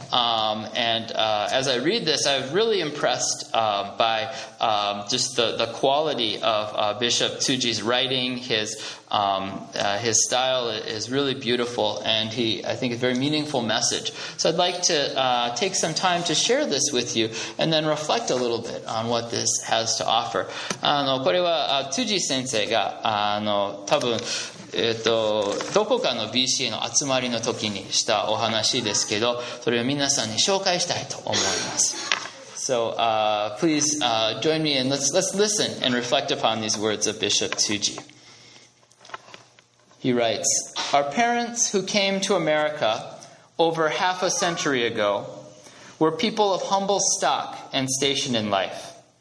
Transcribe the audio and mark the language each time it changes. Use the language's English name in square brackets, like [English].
[English] As I read this, I'm really impressed by just the quality of Bishop Tsuji's writing. His style is really beautiful, and I think, a very meaningful message. So I'd like to take some time to share this with you, and then reflect a little bit on what this has to offer. [Japanese] これは Tsuji 先生が多分どこかの BCA の集まりの時にしたお話ですけど、それを皆さんに紹介したいと思います。 [English] So please join me and let's listen and reflect upon these words of Bishop Tsuji. He writes, "Our parents who came to America over half a century ago were people of humble stock and station in life.